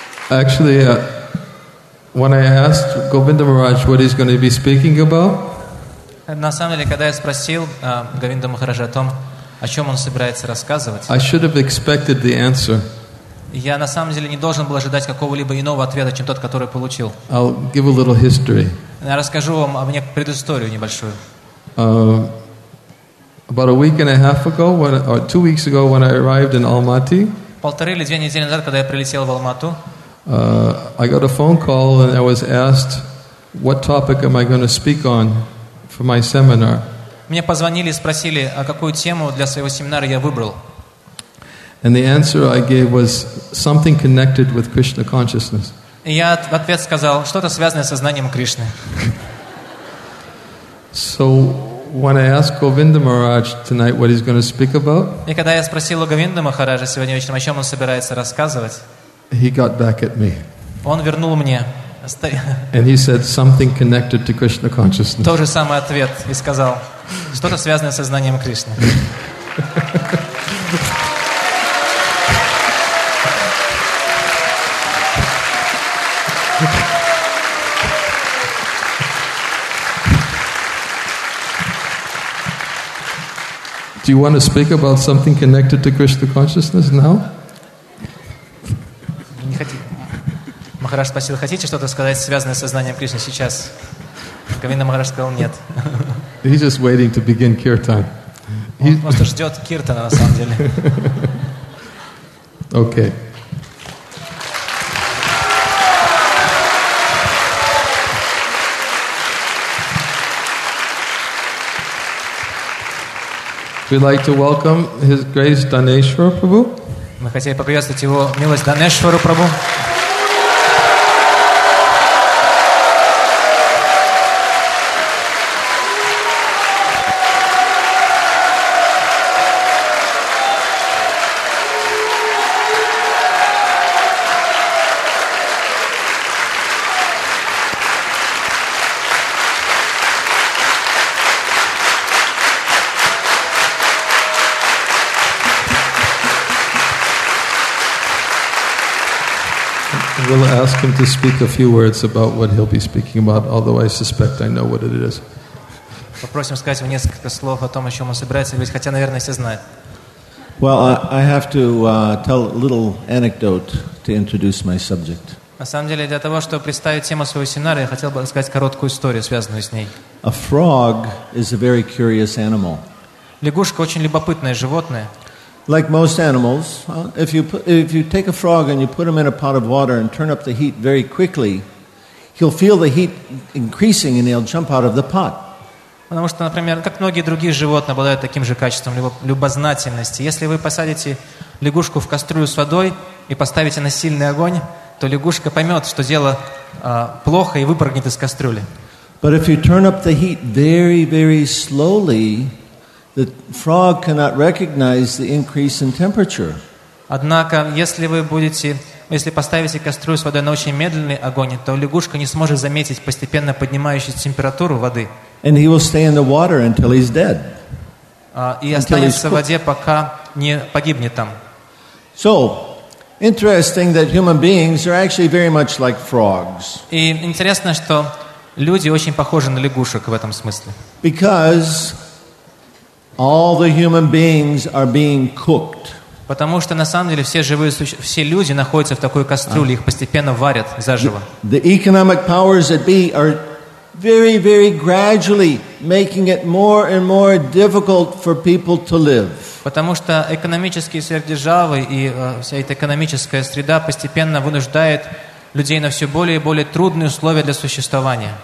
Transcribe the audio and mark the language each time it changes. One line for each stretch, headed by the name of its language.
English: Actually, when I asked Govinda Maharaj what he's going to be speaking about,
Russian: на самом деле, когда я спросил Говинда Махараджа о том, о чем он собирается рассказывать,
English: I should have expected the answer.
Russian: Я на самом деле не должен был ожидать какого-либо иного ответа, чем тот, который получил.
English: I'll give a little history.
Russian: Я расскажу вам об некую предысторию небольшую.
English: About a week and a half ago, or 2 weeks ago, when I arrived in Almaty.
Russian: Полторы или две недели назад, когда я прилетел в Алмату.
English: I got a phone call and I was asked, what topic am I going to speak on for my seminar?
Russian: Мне позвонили и спросили, а какую тему для своего семинара я выбрал.
English: And the answer I gave was something connected with Krishna consciousness.
Russian: И я в ответ сказал, что-то связанное со знанием Кришны.
English: So when I asked Govinda Maharaj tonight what he's going to speak about,
Russian: и когда я спросил у Говинды Махараджа сегодня вечером, о чем он собирается рассказывать,
English: he got back at me.
Russian: Он вернул мне.
English: And he said something connected to Krishna consciousness.
Russian: Тот же самый ответ и сказал, что-то связанное со знанием Кришны.
English: Do you want to speak about something connected to Krishna consciousness now?
Russian: Не хотите. Махарадж спросил, хотите что-то сказать, связанное с сознанием Кришны сейчас? Кавинда Махарадж сказал, нет.
English: He's just waiting to begin kirtan.
Russian: Он просто ждет киртана, на самом деле.
English: Okay. We'd like to welcome His Grace Daneshwar Prabhu.
Russian: Мы хотели поприветствовать его милость Данешвару Прабху.
English: We'll ask him to speak a few words about what he'll be speaking about, although I suspect I know what it is.
Russian: Попросим сказать ему несколько слов о том, о чем он собирается говорить, хотя, наверное, все знают.
English: Well, I have to tell a little anecdote to introduce my subject.
Russian: На самом деле, для того, чтобы представить тему своего семинара, я хотел бы рассказать короткую историю, связанную с ней.
English: A frog is a very curious animal.
Russian: Лягушка очень любопытное животное.
English: Like most animals, if you take a frog and you put him in a pot of water and turn up the heat very quickly, he'll feel the heat increasing and he'll jump out of the pot.
Russian: Потому что, например, как многие другие животные обладают таким же качеством любознательности. Если вы посадите лягушку в кастрюлю с водой и поставите на сильный огонь, то лягушка поймет, что дело плохо и выпрыгнет из кастрюли.
English: But if you turn up the heat very, very slowly, the frog cannot recognize the increase in temperature.
Russian: Однако, если поставите кастрюлю с водой на очень медленный огонь, то лягушка не сможет заметить постепенно поднимающуюся температуру воды.
English: And he will stay in the water until he's dead.
Russian: И останется в воде, пока не погибнет там.
English: So, interesting that human beings are actually very much like frogs.
Russian: И интересно, что люди очень похожи на лягушек в этом смысле.
English: Because all the human beings are being cooked.
Russian: Потому что на самом деле все живые существа, все люди находятся в такой кастрюле, их постепенно варят заживо.
English: The economic powers that be are very, very gradually making it more and more difficult for people to live.
Russian: Потому что экономические сверхдержавы и вся эта экономическая среда постепенно вынуждает людей на все более и более трудные условия для существования.